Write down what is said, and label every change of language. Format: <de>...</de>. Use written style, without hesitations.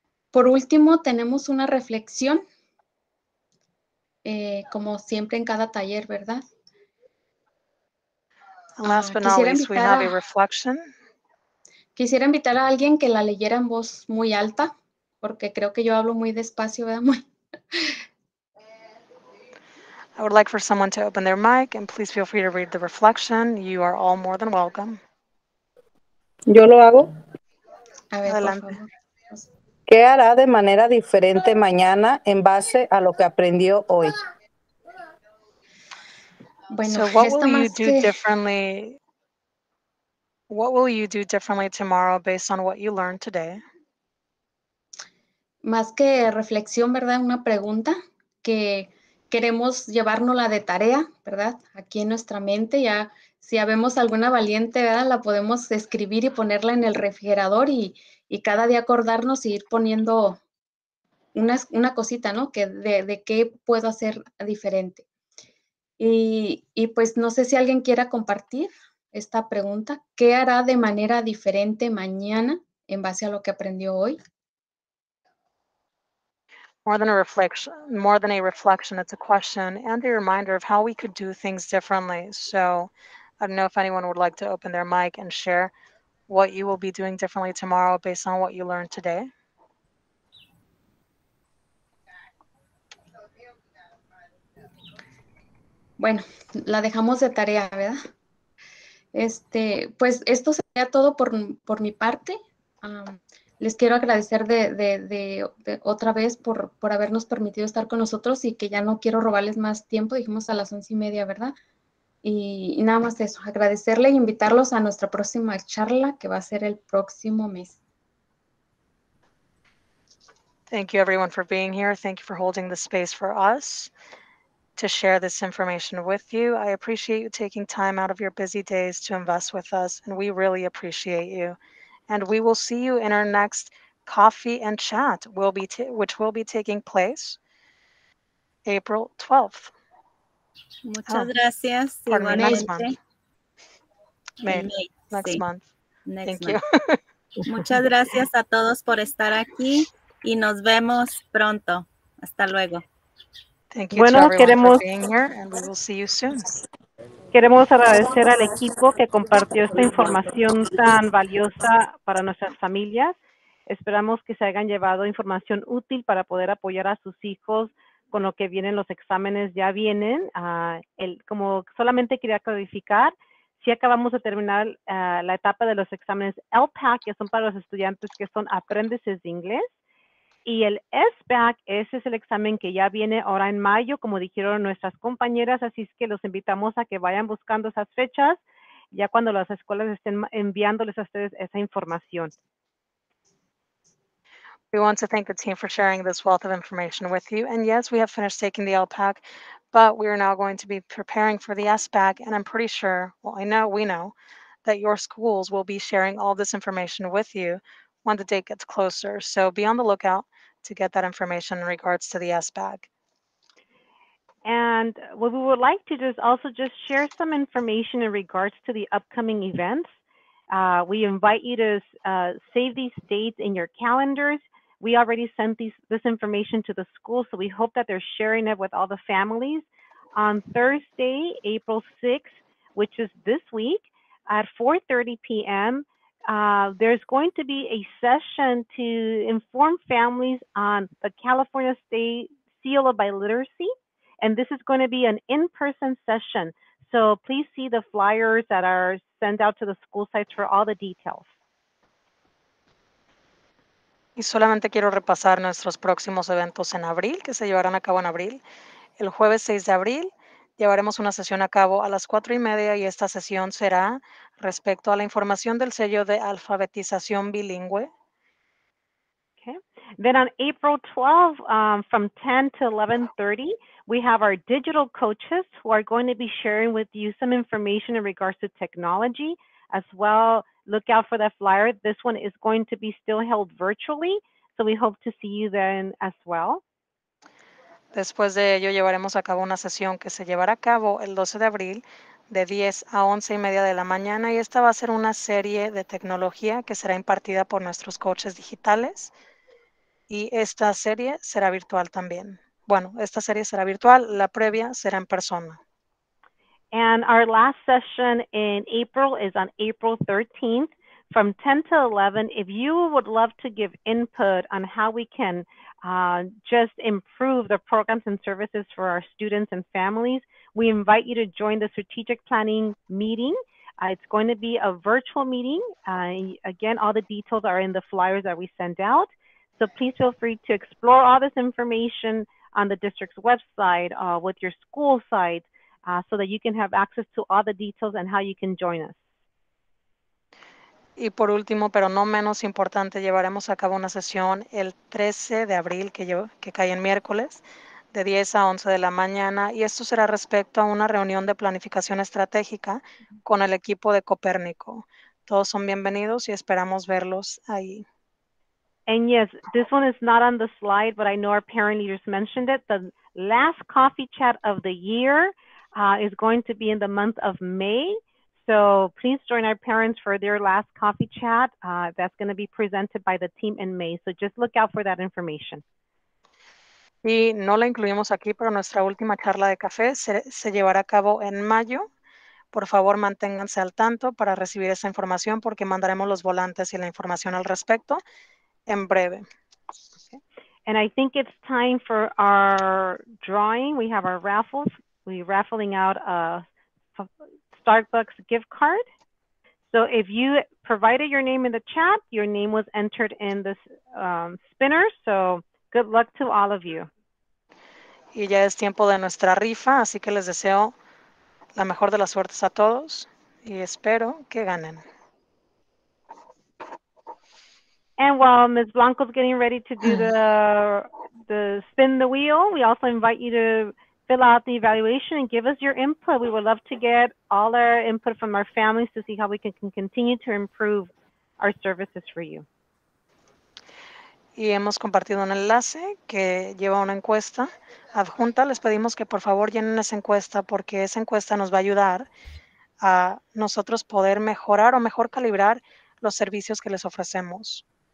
<es>Por último, tenemos una reflexión, como siempre en cada taller, ¿verdad?</es> <en>Last but not least, we have a reflection.</en> <es>Quisiera invitar a alguien que la leyera en voz muy alta, porque creo que yo hablo muy despacio, ¿verdad?</es> <en>I would like for someone to open their mic, and please feel free to read the reflection. You are all more than welcome.</en> <es>¿Yo lo hago? A ver, adelante. Por favor. ¿Qué hará de manera diferente mañana en base a lo que aprendió hoy?</es> <en>Bueno, so what will you do differently? What will you do differently tomorrow based on what you learned today?</en> <es>Más que reflexión, ¿verdad? Una pregunta que queremos llevárnosla de tarea, ¿verdad? Aquí en nuestra mente, ya si habemos alguna valiente, ¿verdad? La podemos escribir y ponerla en el refrigerador y cada día acordarnos y ir poniendo una cosita, ¿no? Que de qué puedo hacer diferente. Y pues no sé si alguien quiera compartir esta pregunta. ¿Qué hará de manera diferente mañana en base a lo que aprendió hoy?</es> <en>More than a reflection, it's a question and a reminder of how we could do things differently. So I don't know if anyone would like to open their mic and share what you will be doing differently tomorrow based on what you learned today.</en> <es>Bueno, la dejamos de tarea, ¿verdad? Pues esto sería todo por mi parte. Les quiero agradecer de otra vez por habernos permitido estar con nosotros y que ya no quiero robarles más tiempo, dijimos a las 11:30, ¿verdad? Y nada más eso, agradecerle e invitarlos a nuestra próxima charla que va a ser el próximo mes.</es> <en>Thank you everyone for being here. Thank you for holding the space for us to share this information with you. I appreciate you taking time out of your busy days to invest with us, and we really appreciate you. And we will see you in our next coffee and chat, which will be taking place April 12th.</en> <es>Muchas gracias.</es> <en>Pardon me, next month. May. Next month. Thank you.</en> <es>Muchas gracias a todos por estar aquí y nos vemos pronto. Hasta luego.</es> <en>Thank you bueno, to everyone</en> <es>queremos,</es> <en>for being here, and we will see you soon.</en> <es>Queremos agradecer al equipo que compartió esta información tan valiosa para nuestras familias. Esperamos que se hayan llevado información útil para poder apoyar a sus hijos con lo que vienen los exámenes. Ya vienen. Como solamente quería clarificar, si acabamos de terminar la etapa de los exámenes LPAC, que son para los estudiantes que son aprendices de inglés. Y el SBAC, ese es el examen que ya viene ahora en mayo, como dijeron nuestras compañeras, así es que los invitamos a que vayan buscando esas fechas, ya cuando las escuelas estén enviándoles a ustedes esa información.</es> <en>We want to thank the team for sharing this wealth of information with you. And yes, we have finished taking the LPAC, but we are now going to be preparing for the SBAC. And I'm pretty sure, well, I know, we know, that your schools will be sharing all this information with you when the date gets closer. So be on the lookout to get that information in regards to the SBAG. And what we would like to do is also just share some information in regards to the upcoming events. We invite you to save these dates in your calendars. We already sent this information to the school, so we hope that they're sharing it with all the families. On Thursday, April 6th, which is this week at 4:30 p.m., there's going to be a session to inform families on the California State Seal of Biliteracy, and this is going to be an in-person session. So please see the flyers that are sent out to the school sites for all the details.</en> <es>Y solamente quiero repasar nuestros próximos eventos en abril, que se llevarán a cabo en abril. El jueves 6 de abril llevaremos una sesión a cabo a las 4:30 y esta sesión será respecto a la información del sello de alfabetización bilingüe.</es> <en>Okay. Then on April 12, from 10 to 11:30, we have our digital coaches who are going to be sharing with you some information in regards to technology as well. Look out for that flyer. This one is going to be still held virtually. So we hope to see you then as well.</en> <es>Después de ello, llevaremos a cabo una sesión que se llevará a cabo el 12 de abril de 10 a 11 y media de la mañana, y esta va a ser una serie de tecnología que será impartida por nuestros coaches digitales, y esta serie será virtual también. Bueno, esta serie será virtual, la previa será en persona.</es> <en>And our last session in April is on April 13th from 10 to 11. If you would love to give input on how we can just improve the programs and services for our students and families, we invite you to join the strategic planning meeting. It's going to be a virtual meeting. Again, all the details are in the flyers that we send out. So please feel free to explore all this information on the district's website, with your school site, so that you can have access to all the details and how you can join us.</en> <es>Y por último, pero no menos importante, llevaremos a cabo una sesión el 13 de abril, que cae en miércoles, de 10 a 11 de la mañana, y esto será respecto a una reunión de planificación estratégica con el equipo de Copérnico. Todos son bienvenidos y esperamos verlos ahí.</es> <en>And yes, this one is not on the slide, but I know our parent leaders mentioned it. The last coffee chat of the year is going to be in the month of May. So please join our parents for their last coffee chat. That's going to be presented by the team in May. So just look out for that information.</en> <es>Y no la incluimos aquí, pero nuestra última charla de café se llevará a cabo en mayo. Por favor, manténganse al tanto para recibir esa información, porque mandaremos los volantes y la información al respecto en breve.</es> <en>Okay. And I think it's time for our drawing. We have our raffles. We're raffling out a Starbucks gift card. So if you provided your name in the chat, your name was entered in this spinner. So good luck to all of you.</en> <es>Y ya es tiempo de nuestra rifa, así que les deseo la mejor de las suertes a todos y espero que ganen.</es> <en>And while Ms. Blanco's getting ready to do the spin the wheel, we also invite you to fill out the evaluation and give us your input. We would love to get all our input from our families to see how we can continue to improve our services for you.</en> <es>Y hemos compartido un enlace que lleva una encuesta adjunta. Les pedimos que por favor llenen esa encuesta, porque esa encuesta nos va a ayudar a nosotros poder mejorar o mejor calibrar los servicios que les ofrecemos.</es>